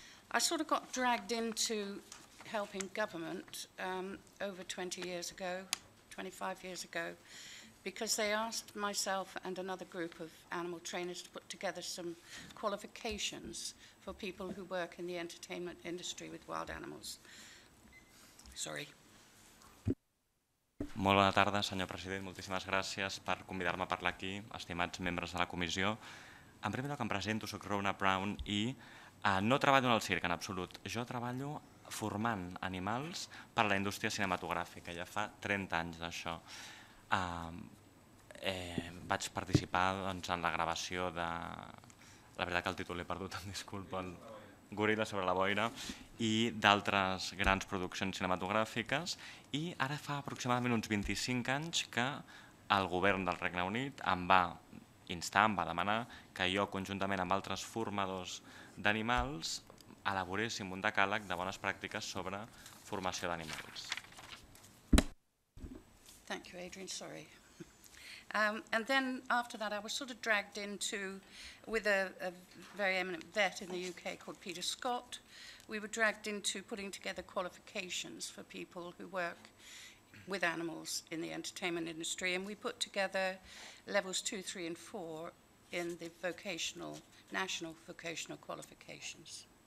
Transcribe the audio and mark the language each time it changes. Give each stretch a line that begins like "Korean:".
English: I sort of got dragged into helping government over 20 years ago, 25 years ago, because they asked myself and another group of animal trainers to put together some qualifications for people who work in the entertainment industry with wild animals. Sorry.
Catalan: Molt bona tarda, senyor president. Moltíssimes gràcies per convidar-me a parlar aquí, estimats membres de la comissió. En primer lloc, em presento, soc Rona Brown i no treballo en el circ en absolut. Jo treballo formant animals per a la indústria cinematogràfica. Ja fa 30 anys d'això. Vaig participar doncs, en la gravació de... La veritat que el títol l'he perdut, em disculpo. El Goril·la sobre la boira i d'altres grans produccions cinematogràfiques. I ara fa aproximadament uns 25 anys que el govern del Regne Unit em va instar, em va demanar que jo, conjuntament amb altres formadors d'animals, elaboréssim un decàleg de bones pràctiques sobre formació d'animals.
English: Thank you, Adrian, sorry. And then after that I was sort of dragged into, with a very eminent vet in the UK called Peter Scott, we were dragged into putting together qualifications for people who work with animals in the entertainment industry, and we put together levels 2, 3, and 4 in the vocational, national vocational qualifications.